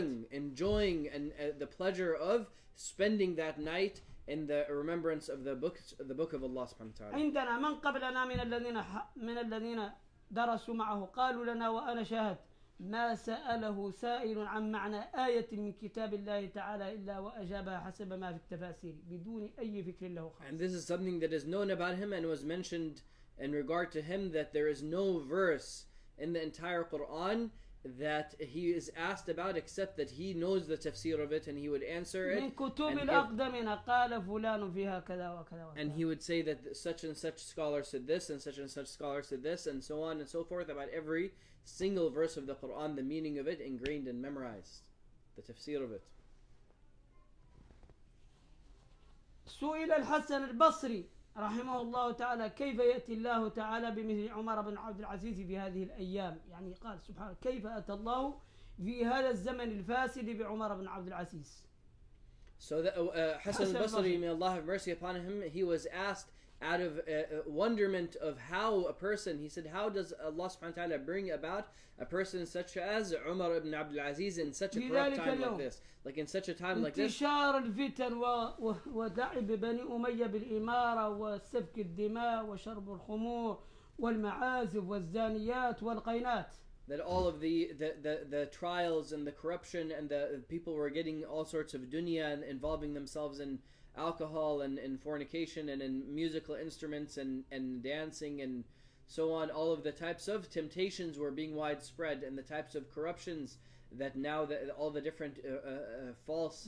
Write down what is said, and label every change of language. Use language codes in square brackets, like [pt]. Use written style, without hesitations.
[en] Enjoying and the pleasure of spending that night in the remembrance of the book of Allah subhanahu wa ta'ala. [ar] عندنا من قبلنا من الذين درسوا معه قالوا لنا وأنا شاهد ما سأله سائل عن معنى آية من كتاب الله تعالى إلا وأجابها حسب ما في التفاسير بدون أي فكر له خاص. [en] And this is something that is known about him and was mentioned in regard to him, that there is no verse in the entire Quran that he is asked about except that he knows the tafsir of it and he would answer it. [ar] من كتب الأقدمين قال فلان فيها كذا وكذا وكذا. [en] And he would say that such and such scholar said this and such scholar said this and so on and so forth about every single verse of the Quran, the meaning of it ingrained and memorized, the tafsir of it. [ar] سئل الحسن البصري رحمه الله تعالى كيف يأتي الله تعالى بمثل عمر بن عبد العزيز في هذه الأيام يعني قال سبحانه كيف أتى الله في هذا الزمن الفاسد بعمر بن عبد العزيز. [en] So Hassan al-Basri, may Allah have mercy upon him, he was asked out of wonderment of how a person, he said, how does Allah subhanahu wa ta'ala bring about a person such as Umar ibn Abd al-Aziz in such a corrupt time like this? Like in such a time like this? [ar] انتشار الفتن ودعب بني أمية بالإمارة وسفك الدماء وشرب الخمور والمعازف والزانيات والقينات. [en] That all of the trials and the corruption and the people were getting all sorts of dunya and involving themselves in alcohol and in fornication and in musical instruments and dancing and so on, all of the types of temptations were being widespread and the types of corruptions that now that all the different false